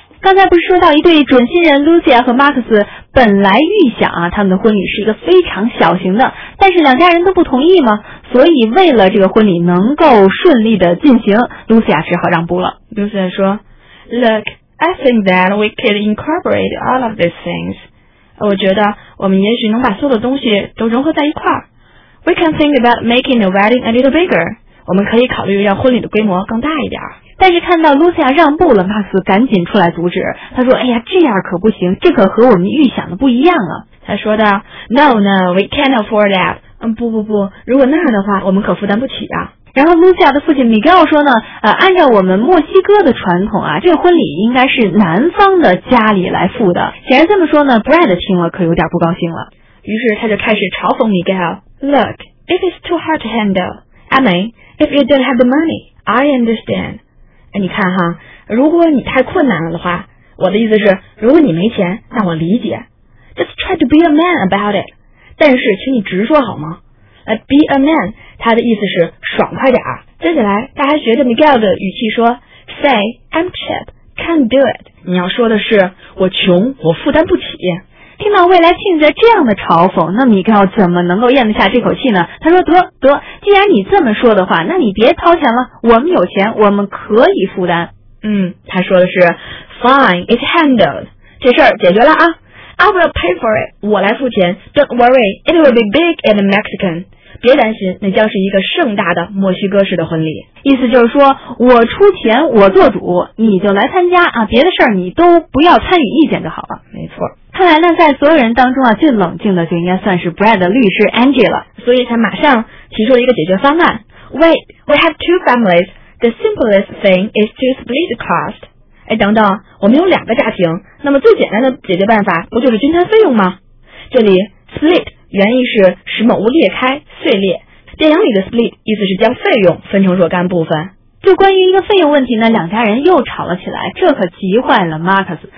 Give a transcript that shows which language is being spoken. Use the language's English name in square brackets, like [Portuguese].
[Chinese] 刚才不是说到一对准新人 Lucia 和 Max 本来预想啊，他们的婚礼是一个非常小型的，但是两家人都不同意吗？所以为了这个婚礼能够顺利的进行， Lucia 只好让步了。 [English] Lucia 说， Look, I think that we could incorporate all of these things. [Chinese] 我觉得我们也许能把所有的东西都融合在一块。 [English] We can think about making the wedding a little bigger. [Chinese] 我们可以考虑让婚礼的规模更大一点。但是看到 Lucia 让步了， Max 赶紧出来阻止。他说，哎呀，这样可不行，这可和我们预想的不一样啊。他说道， [English] No, we can't afford that. [Chinese] 不，如果那样的话，我们可负担不起啊。然后 Lucia 的父亲 Miguel 说呢，按照我们墨西哥的传统啊，这个婚礼应该是男方的家里来付的。显然这么说呢， Brad 听了可有点不高兴了。于是他就开始嘲讽 [English] Miguel， Look, if it's too hard to handle, I mean, if you don't have the money, I understand. [Chinese] 你看哈，如果你太困难了的话，我的意思是，如果你没钱，那我理解。 [English] Just try to be a man about it. [Chinese] 但是，请你直说好吗？ Be a man， 他的意思是爽快点。接下来，他还学着 Miguel 的语气说 ， [English] Say I'm cheap, can't do it。 [Chinese] 你要说的是我穷，我负担不起。听到未来亲家这样的嘲讽，那 Miguel 怎么能够咽得下这口气呢？他说得，既然你这么说的话，那你别掏钱了，我们有钱，我们可以负担。他说的是 [English] Fine, it's handled. [Chinese] 这事儿解决了啊。 [English] I will pay for it. [Chinese] 我来付钱。 [English] Don't worry, it will be big and Mexican. [Chinese] 别担心，那将是一个盛大的墨西哥式的婚礼。意思就是说，我出钱，我做主，你就来参加啊，别的事儿你都不要参与意见就好了。没错。看来呢，在所有人当中啊，最冷静的就应该算是 Brad 的律师 Angie 了，所以才马上提出了一个解决方案。 [English] Wait, we have two families. The simplest thing is to split the cost. [Chinese] 哎，等等，我们有两个家庭，那么最简单的解决办法不就是均摊费用吗？这里 split 原意是使某物裂开、碎裂，电影里的 split 意思是将费用分成若干部分。就关于一个费用问题呢，两家人又吵了起来，这可急坏了 Marcus。